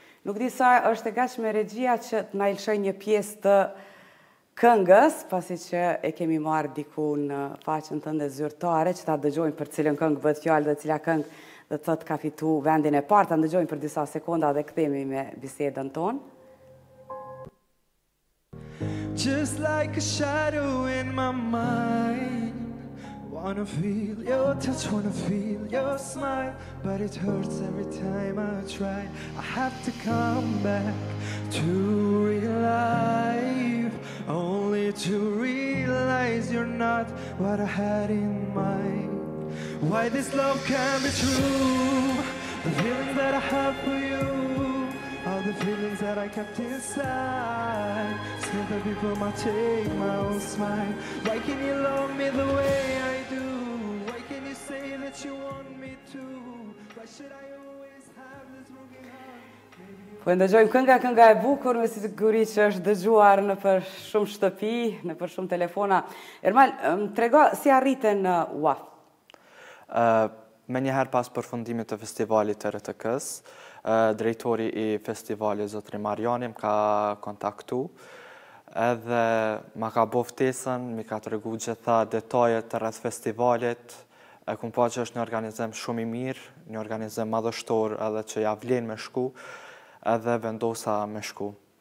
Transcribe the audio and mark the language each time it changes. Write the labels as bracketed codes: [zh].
[sq] Nuk di sa është e gatshme regjia që të na lëshoj një pjesë të këngës, pasi që e kemi marrë diku në faqen tënde zyrtare, që ta dëgjojmë për cilën këngë bëhet fjalë dhe cila këngë dhe thot ka fitu vendin e parë, ta ndëgjojmë për disa sekonda dhe këthemi me bisedën tonë. [en] Just like a shadow in my mind, wanna feel your touch, wanna feel your smile, but it hurts every time I try. I have to come back to real life, only to realize you're not what I had in mind. Why this love can't be true, the feelings that I have for you, all the feelings that I kept inside, still the people might take my own smile. Why can't you love me the way I do? Why can't you say that you want me to? Why should I always have this broken heart? [sq] Po ndëgjojmë kënga, kënga e bukur, me siguri që është dëgjuar në për shumë shtëpi, në për shumë telefona. Ermal, më trego si arritën në UAF? Me njëherë pas përfundimit të festivalit të RTK-s, drejtori i festivalit zotri Marjani më ka kontaktu edhe më ka bo ftesën, më ka të regu gjitha detajet të rreth festivalit, e kumë po që është një organizem shumë i mirë, një organizem madhështor edhe që ja vlen me shku edhe vendosa me shku.